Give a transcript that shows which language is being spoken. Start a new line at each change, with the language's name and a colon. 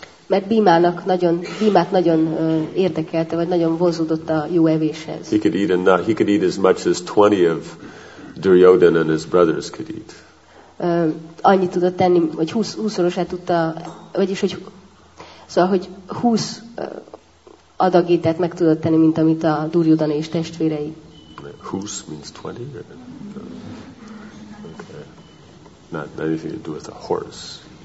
Hungarian: Mert Bhimát nagyon érdekelte, vagy nagyon vonzódott a jó evéshez.
English: He could eat as much as 20 of Duryodhana and his brothers could eat.
Hungarian: Annyit tudott tenni, hogy 20-szorosát tudta, vagyis hogy szóval, hogy 20 adag ételt meg tudott tenni, mint amit a Duryodhana és testvérei.
English: 20 means 20? Okay. Not anything to do with a horse.